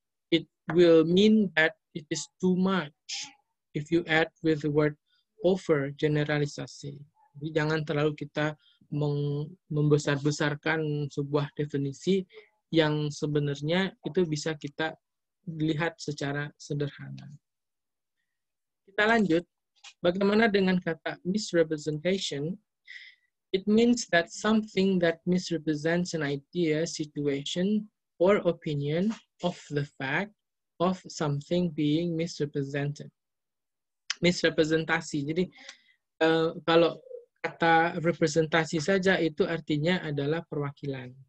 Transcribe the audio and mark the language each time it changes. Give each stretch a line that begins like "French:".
English: It will mean that it is too much if you add with the word over, generalisasi.
Indonesian: Jadi jangan terlalu kita membesar-besarkan sebuah definisi yang sebenarnya itu bisa kita lihat secara sederhana. Kita lanjut. Bagaimana dengan kata misrepresentation?
English: It means that something that misrepresents an idea, situation, or opinion of the fact of something being misrepresented.
Indonesian: Misrepresentasi. Jadi, kalau kata representasi saja itu artinya adalah perwakilan.